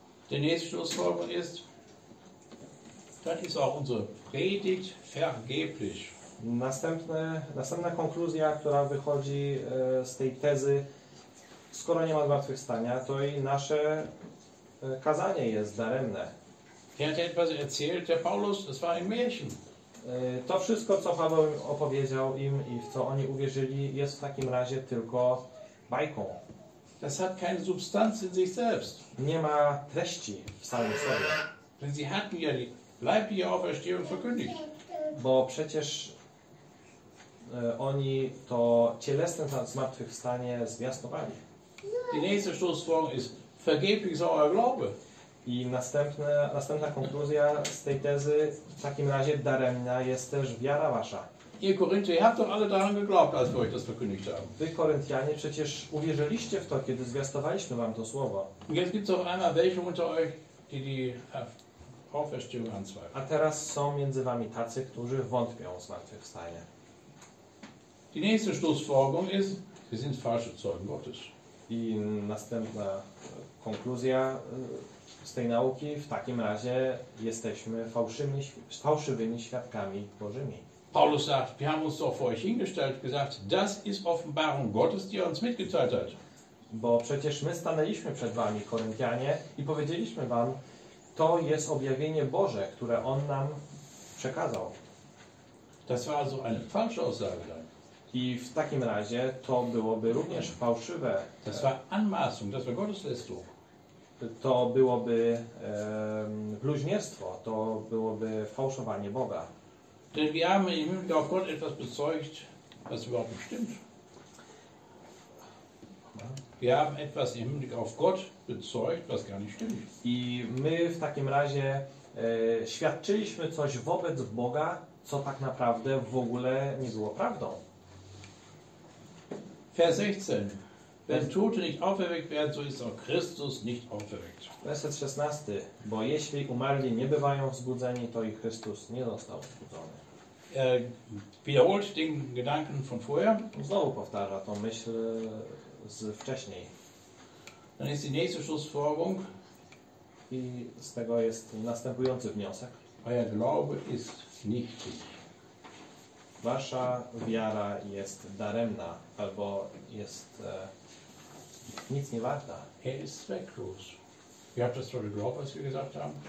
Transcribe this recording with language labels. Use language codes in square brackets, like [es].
[de] Der nächste Schlussfolgerung ist, dann ist auch unsere Predigt vergeblich. [pl] Następna konkluzja, która wychodzi z tej tezy, skoro nie ma zmartwychwstania, to i nasze kazanie jest daremne. [de] Er hat etwas erzählt, der Paulus, das war ein Märchen. [pl] To wszystko, co Paweł opowiedział im i w co oni uwierzyli, jest w takim razie tylko bajką. [de] Das hat keine Substanz in sich selbst. [pl] Nie ma treści w samym sobie. [de] Denn sie hatten ja die leibliche Auferstehung verkündigt. [pl] Bo przecież oni to cielesne zmartwychwstanie zwiastowali. [de] Die nächste Schlussfolgerung ist, vergeblich ist euer Glaube. [pl] I następna konkluzja z tej tezy, w takim razie daremna jest też wiara wasza. [de] Ihr Korinther, ihr habt doch alle daran geglaubt, als wir euch das verkündigt haben. [pl] Wy, Koryntianie, przecież uwierzyliście w to, kiedy zwiastowaliśmy wam to słowo. [de] Jetzt gibt's auch einmal welche unter euch, die Auferstehung anzweifeln. [pl] A teraz są między wami tacy, którzy wątpią o zmartwychwstanie. [de] Die nächste Schlussfolgerung ist, wir sind falsche Zeugen Gottes. [pl] I następna konkluzja z tej nauki, w takim razie jesteśmy fałszywymi świadkami Bożymi. [de] Paulus sagt, wir haben uns doch vor euch hingestellt, gesagt, das ist Offenbarung Gottes, die er uns mitgeteilt hat. [pl] Bo przecież my stanęliśmy przed wami, Koryntianie, i powiedzieliśmy wam, to jest objawienie Boże, które on nam przekazał. [de] Das war also eine falsche Aussage. [pl] I w takim razie to byłoby również fałszywe. [de] Das war Anmaßung, das war Gotteslästerung. [pl] To byłoby bluźnierstwo, to byłoby fałszowanie Boga. [de] Denn wir haben im Hinblick auf Gott etwas bezeugt, was überhaupt nicht stimmt. Wir haben etwas im Hinblick auf Gott bezeugt, was gar nicht stimmt. [pl] I my w takim razie świadczyliśmy coś wobec Boga, co tak naprawdę w ogóle nie było prawdą. [de] Vers 16. Wenn Tote nicht auferweckt werden, so ist auch Christus nicht auferweckt. [pl] Werset 16. Bo jeśli umarli nie bywają wzbudzeni, to i Chrystus nie został wzbudzony. [de] Er wiederholt den Gedanken von vorher. [pl] Znowu powtarza tą myśl z wcześniej. [de] Dann ist die nächste Schlussfolgerung. [pl] I z tego jest następujący wniosek. [de] Euer Glaube ist nichtig. [pl] Wasza wiara jest daremna, albo jest nic nie warta. [de] Er ist zwecklos. Wir haben das tolle Glaube, was wir gesagt haben.